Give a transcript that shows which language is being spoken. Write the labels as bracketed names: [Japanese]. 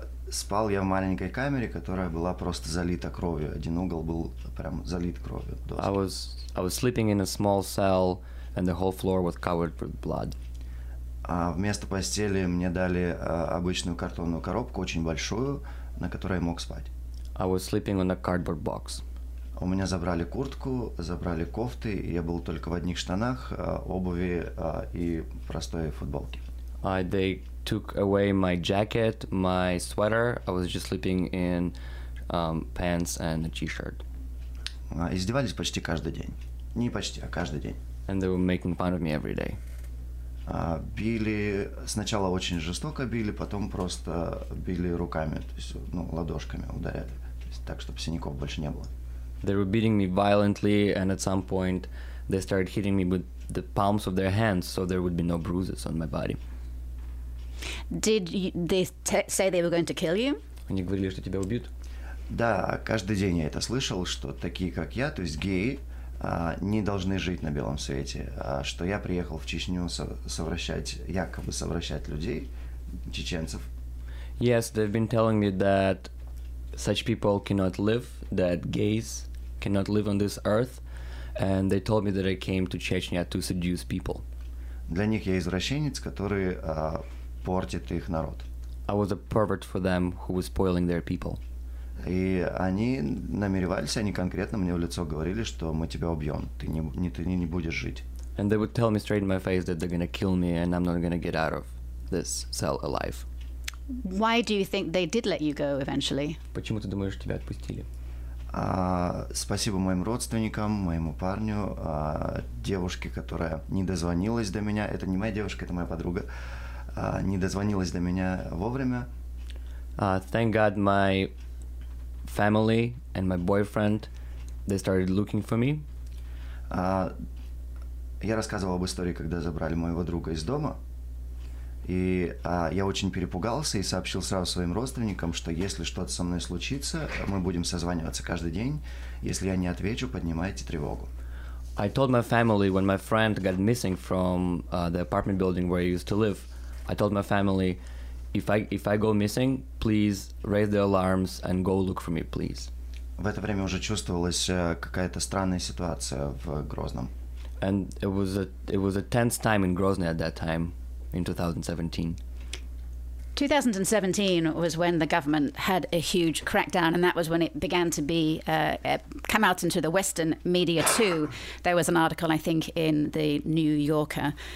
[Russian] Спал я в маленькой камере, которая была просто залита кровью. Один угол был прям залит кровью. [English] I was sleeping in a small cell, and the whole floor was covered with blood. [Russian] А вместо постели мне дали обычную картонную коробку, очень большую, на которой я мог спать. [English] I was sleeping on a cardboard box. [Russian] У меня забрали куртку, забрали кофты, и я был только в одних штанах, обуви и простой футболке. [English] They took away my jacket, my sweater. I was just sleeping in pants and a t-shirt. [Russian] Издевались почти каждый день. Не почти, а каждый день. [English] And they were making fun of me every day. [Russian] Били, сначала очень жестоко били, потом просто били руками, то есть, ладошками ударяли, то есть, так, чтобы синяков больше не было. [English] They were beating me violently, and at some point they started hitting me with the palms of their hands, so there would be no bruises on my body. Did they say they were going to kill you? [Russian] Они говорили, что тебя убьют. Да, каждый день я это слышал, что такие, как я, то есть геи, не должны жить на белом свете, что я приехал в Чечню совращать, якобы совращать людей, чеченцев. [English] Yes, they've been telling me that such people cannot live, that gays cannot live on this earth, and they told me that I came to Chechnya to seduce people. [Russian] Для них я извращенец, который портит их народ. [English] I was a pervert for them who was spoiling their people. [Russian] И они намеревались, они конкретно мне в лицо говорили, что мы тебя убьем, ты не будешь жить. [English] And they would tell me straight in my face that they're gonna kill me and I'm not gonna get out of this cell alive. Why do you think they did let you go eventually? [Russian] Почему ты думаешь, тебя отпустили? Спасибо моим родственникам, моему парню, девушке, которая не дозвонилась до меня. Это не моя девушка, это моя подруга. Не дозвонилась до меня вовремя. [English] Thank God my family and my boyfriend, they started looking for me. [Russian] Я рассказывал об истории, когда забрали моего друга из дома. И я очень перепугался и сообщил сразу своим родственникам, что если что-то со мной случится, мы будем созваниваться каждый день. Если я не отвечу, поднимайте тревогу. [English] I told my family when my friend got missing from the apartment building where I used to live. I told my family, if I go missing, please raise the alarms and go look for me, please. [Russian] В это время уже чувствовалась какая-то странная ситуация в Грозном. [English] And it was a tense time in Grozny at that time. In 2017. 2017 was when the government had a huge crackdown, and that was when it began to be come out into the Western media too. There was an article, I think, in the New Yorker,